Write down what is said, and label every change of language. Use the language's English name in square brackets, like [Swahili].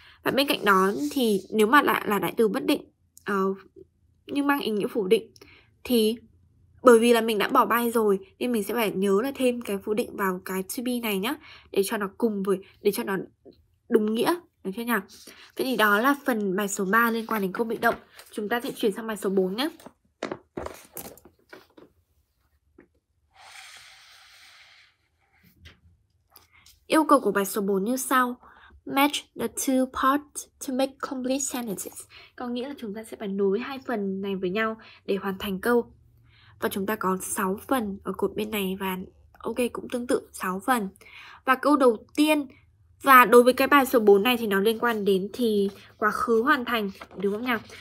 [Vietnamese] Và bên cạnh đó thì nếu mà là đại từ bất định nhưng mang ý nghĩa phủ định thì bởi vì là mình đã bỏ by rồi nên mình sẽ phải nhớ là thêm cái phủ định vào cái to be này nhé, để cho nó cùng với để cho nó đúng nghĩa. Được chưa nhỉ? Vậy thì đó là phần bài số 3 liên quan đến câu bị động. Chúng ta sẽ chuyển sang bài số 4 nhé. Yêu cầu của bài số 4 như sau. [English] Match the two parts to make complete sentences. [Vietnamese] Có nghĩa là chúng ta sẽ phải nối hai phần này với nhau để hoàn thành câu. Và chúng ta có 6 phần ở cột bên này và ok cũng tương tự 6 phần. Và câu đầu tiên. Và đối với cái bài số 4 này thì nó liên quan đến thì quá khứ hoàn thành, đúng không nhỉ?